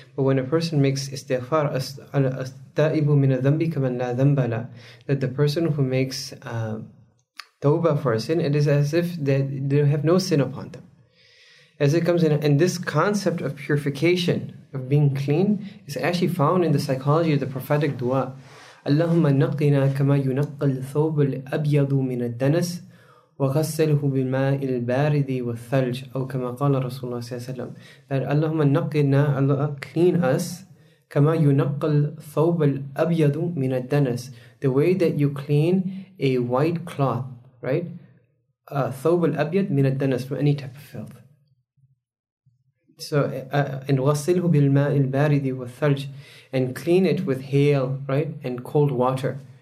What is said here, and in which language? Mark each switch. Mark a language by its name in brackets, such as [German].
[English] But when a person makes istighfar, [Arabic] أَسْتَائِبُ مِنَ ذَنْبِكَ مَنْ لَا ذَنْبَ لَا, [English] that the person who makes tawbah for a sin, it is as if they have no sin upon them. As it comes in, and this concept of purification, of being clean, is actually found in the psychology of the prophetic dua. [Arabic] اللهم نقنا كما ينقى الثوب الأبيض من الدنس وغسله بالماء البارد والثلج أو كما قال رسول الله صلى الله عليه وسلم. That اللهم نقنا, [English] Allah clean us, [Arabic] كما ينقى الثوب الأبيض من الدنس. [English] The way that you clean a white cloth, right? [Arabic] ثوب الأبيض من الدنس, [English] from any type of filth. So, and [Arabic] غسله بالماء البارد والثلج, [English] and clean it with hail, right, and cold water.